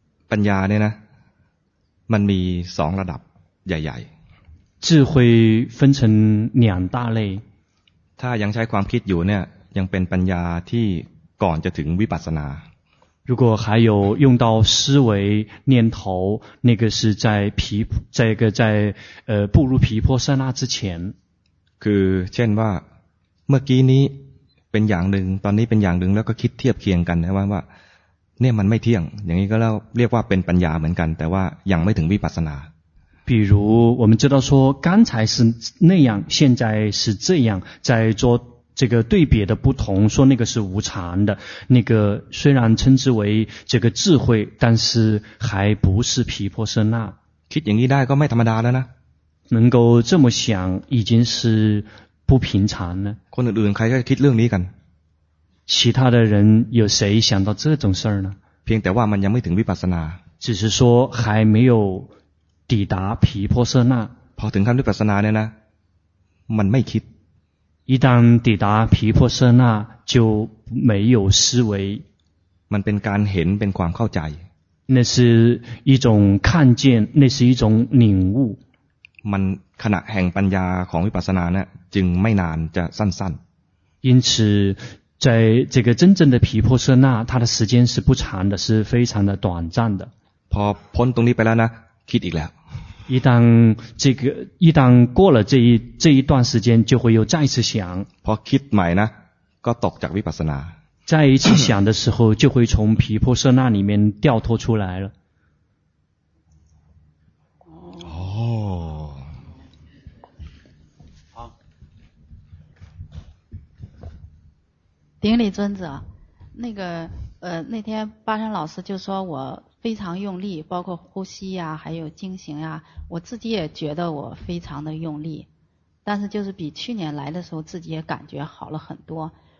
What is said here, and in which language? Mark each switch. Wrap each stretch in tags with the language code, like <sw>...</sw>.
<th>ปัญญาเนี่ยนะมันมีสองระดับใหญ่</th> <zh>ๆ智慧分成两大类</zh> <th>ถ้ายังใช้ความคิดอยู่เนี่ยยังเป็นปัญญาที่ก่อนจะถึงวิปัสสนา</th> <zh>如果还有用到思维念头那个是在这个在步入毗婆舍那之前</zh> <th>คือเช่นว่าเมื่อกี้นี้เป็นอย่างหนึ่งตอนนี้เป็นอย่างหนึ่งแล้วก็คิดเทียบเคียงกันนะว่าเนี่ยมันไม่เที่ยงอย่างนี้ก็เรียกว่าเป็นปัญญาเหมือนกันแต่ว่ายังไม่ถึงวิปัสสนา</th> <zh>比如我们知道说刚才是那样现在是这样在做这个对比的不同说那个是无常的那个虽然称之为这个智慧但是还不是毗婆舍那</zh> <th>คิดอย่างนี้ได้ก็ไม่ธรรมดาแล้วนะ</th> <zh>能够这么想已经是不平常了</zh> <th>คนอื่นๆใครก็คิดเรื่องนี้กัน</th> <zh>其他的人有谁想到这种事儿呢</zh> <th>เพียงแต่ว่ามันยังไม่ถึงวิปัสสนา</th> <zh>只是说还没有抵达毗婆舍那</zh> <th>พอถึงขั้นวิปัสสนาเนี่ยนะมันไม่คิด</th> <zh>一旦抵达毗婆舍那就没有思维</zh> <th>มันเป็นการเห็นเป็นความเข้าใจ</th> <zh>那是一种看见那是一种领悟</zh> <th>มันขณะแห่งปัญญาของวิปัสสนาเนี่ยจึงไม่นานจะสั้นๆ因</th> <zh>此在这个真正的毗婆舍那它的时间是不长的是非常的短暂的</zh> <th>พอพ้นตรงนี้ไปแล้วนะคิดอีกแล้ว</th> <zh>一旦过了这一段时间就会又再次想</zh> <th>พอคิดใหม่นะก็ตกจากวิปัสสนา</th> <zh>再一次想的时候就会从毗婆舍那里面掉脱出来了顶礼尊者，那个那天巴山老师就说我非常用力，包括呼吸呀、啊，还有精行呀、啊，我自己也觉得我非常的用力，但是就是比去年来的时候自己也感觉好了很多。</zh>